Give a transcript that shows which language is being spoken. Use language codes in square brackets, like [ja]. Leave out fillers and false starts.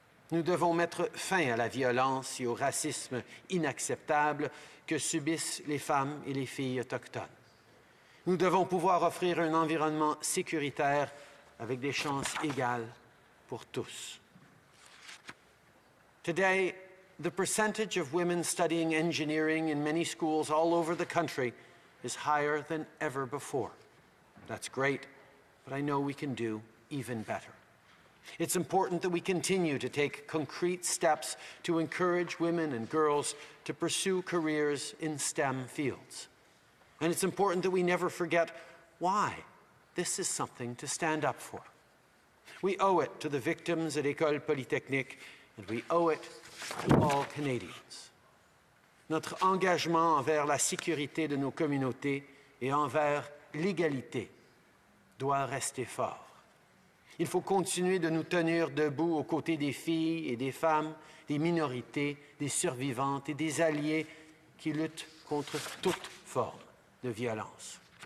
[fr] Nous devons mettre fin à la violence et au racisme inacceptable que subissent les femmes et les filles autochtones. Nous devons pouvoir offrir un environnement sécuritaire avec des chances égales pour tous. [en] Today, the percentage of women studying engineering in many schools all over the country is higher than ever before. That's great, but I know we can do even better. It's important that we continue to take concrete steps to encourage women and girls to pursue careers in STEM fields. And it's important that we never forget why this is something to stand up for. We owe it to the victims at École Polytechnique, and we owe it to all Canadians. [fr] Notre engagement envers la sécurité de nos communautés et envers l'égalité doit rester fort. Il faut continuer de nous tenir debout aux côtés des filles et des femmes, des minorités, des survivantes et des alliés qui luttent contre toute forme de violence.